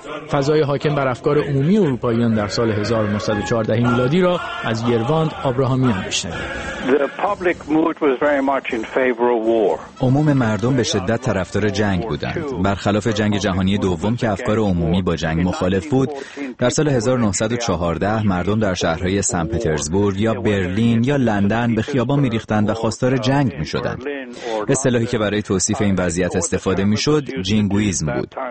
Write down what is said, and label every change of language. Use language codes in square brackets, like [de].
[fa] فضای حاکم بر افکار عمومی اروپاییان در سال 1914 میلادی را از یروند آبراهامیان می‌شنوید. [en] The public mood was very much in favor of war. [fa] عموم مردم به شدت طرفدار جنگ بودند. برخلاف جنگ جهانی دوم که افکار عمومی با جنگ مخالف بود، در سال 1914 مردم در شهرهای سن پترزبورگ یا برلین یا لندن به خیابان می‌ریختند و خواستار جنگ می‌شدند. اصطلاحی که برای توصیف این وضعیت استفاده می‌شد، جینگویزم بود.